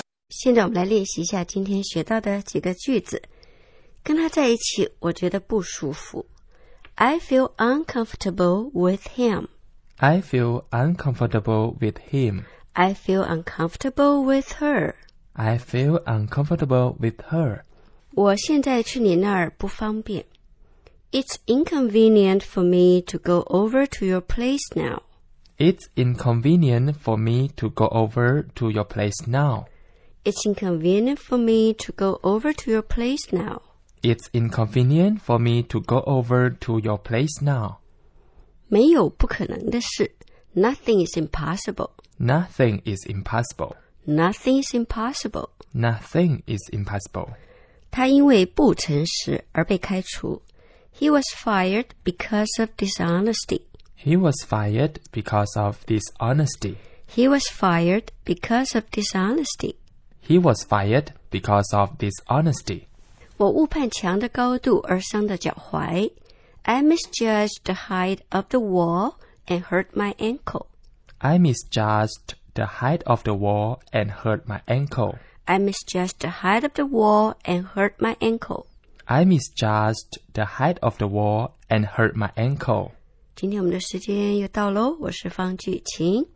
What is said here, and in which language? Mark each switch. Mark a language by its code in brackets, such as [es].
[zh] 现在我们来练习一下今天学到的几个句子。跟他在一起，我觉得不舒服。 [en] I feel uncomfortable with him. I feel uncomfortable with him. I feel uncomfortable with her. I feel uncomfortable with her. [zh] 我现在去你那儿不方便。 [en] It's inconvenient for me to go over to your place now. It's inconvenient for me to go over to your place now. It's inconvenient for me to go over to your place now. It's inconvenient for me to go over to your place now. [zh] 没有不可能的事。 [en] Nothing is impossible. Nothing is impossible. Nothing is impossible. Nothing is impossible. [zh] 他因为不诚实而被开除。 [en] He was fired because of dishonesty. He was fired because of dishonesty. He was fired because of dishonesty. He was fired because of dishonesty. [zh] 我误判墙的高度而伤到脚踝。 [en] I misjudged the height of the wall and hurt my ankle. I misjudged the height of the wall and hurt my ankle. I misjudged the height of the wall and hurt my ankle. I misjudged the height of the wall and hurt my ankle. [zh] 今天我们的时间又到咯，我是方巨晴，